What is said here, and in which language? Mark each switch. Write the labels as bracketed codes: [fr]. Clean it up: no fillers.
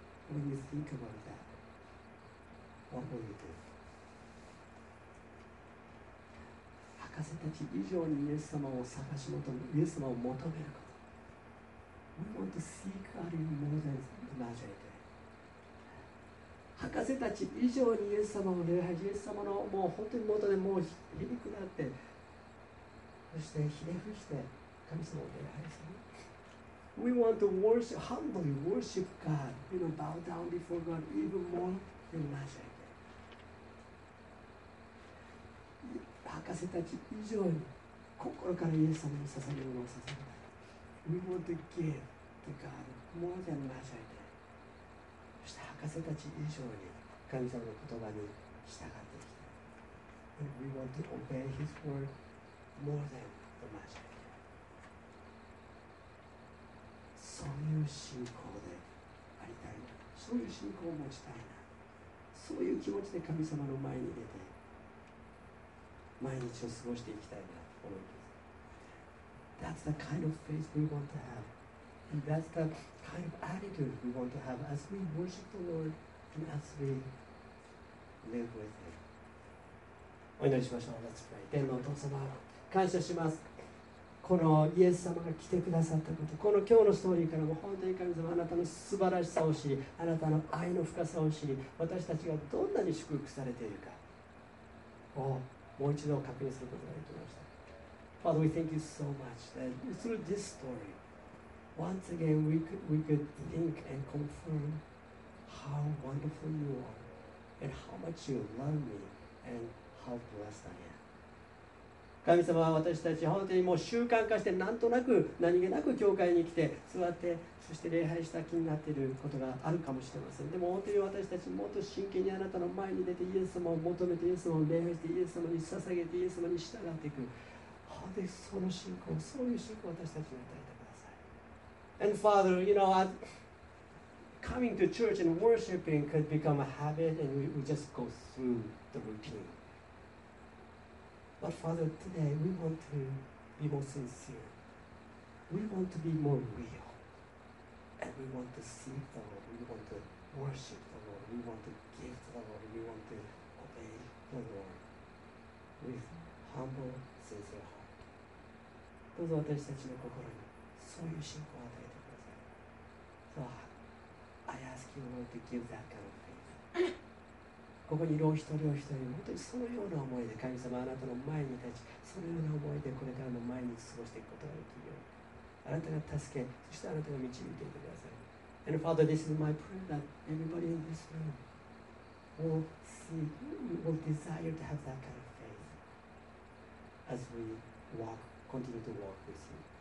[en] When you think about that, what will you do? [ja] 博士たち以上にイエス様を探し求め、イエス様を求めること。 [en] We want to seek God even more than magi did. [ja] 博士たち以上にイエス様を礼拝、イエス様のもう本当に元でもう響くなって、そしてひれ伏して神様を礼拝する。 [en] We want to worship, humbly worship God, you know, bow down before God even more than magi did. [ja] 博士たち以上に心からイエス様に捧げるものを捧げたい。 [en] We want to give to God more than magi did. [ja] そして博士たち以上に神様の言葉に従っていきたい。 [en] We want to obey His wordMore than the magic. [ja] そういう信仰でありたいな。そういう信仰を持ちたいな。そういう気持ちで神様の前に出て毎日を過ごしていきたいなと思います。 [en] That's the kind of faith we want to have. And that's the kind of attitude we want to have as we worship the Lord and as we live with Him. [ja] お祈りしましょう。 [en] Let's pray. [ja] 天のお父様、感謝します。このイエス様が来てくださったこと、この今日のストーリーからも本当に神様、あなたの素晴らしさを知り、あなたの愛の深さを知り、私たちがどんなに祝福されているかをもう一度確認することができました。 [en] Father, we thank you so much that through this story once again we could think and confirm how wonderful you are and how much you love me and how blessed I am。 [ja] 神様は私たち本当にもう習慣化して、なんとなく何気なく教会に来て座って、そして礼拝した気になっていることがあるかもしれません。でも本当に私たちもっと真剣にあなたの前に出てイエス様を求めて、イエス様を礼拝して、イエス様に捧げて、イエス様に従っていく、本当にその信仰、そういう信仰を私たちに与えてください。 [en] And Father, you know, coming to church and worshiping could become a habit and we just go through the routineBut Father, today we want to be more sincere. We want to be more real. And we want to seek the Lord. We want to worship the Lord. We want to give to the Lord. We want to obey the Lord with humble, sincere heart. [ja] どうぞ私たちの心にそういう信仰を与えてください。 [en] I ask you, Lord, to give that kind of faith. [ja] ここにいるお一人お一人、本当にそのような思いで神様、あなたの前に立ち、そのような思いでこれからも毎日過ごしていくことができるように、あなたが助け、そしてあなたが導いていてください。 [en] And Father, this is my prayer that everybody in this room will see, will desire to have that kind of faith as we walk, continue to walk with you.